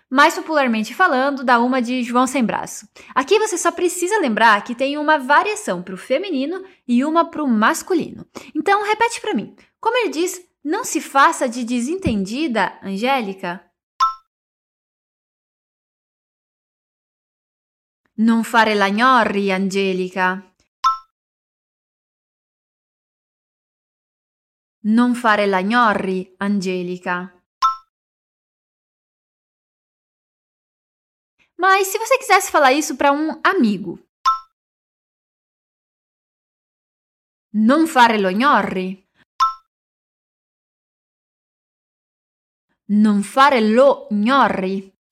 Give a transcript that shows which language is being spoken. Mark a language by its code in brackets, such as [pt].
[pt] Mais popularmente falando, dá uma de João sem braço. Aqui você só precisa lembrar que tem uma variação para o feminino e uma para o masculino. Então, repete para mim. Como ele diz, não se faça de desentendida, Angélica? [it] Non fare la gnorri, Angelica. Non fare la gnorri, Angelica. [pt] Mas se você quisesse falar isso para um amigo? [it] Non fare lo gnorri. Non fare lo gnorri.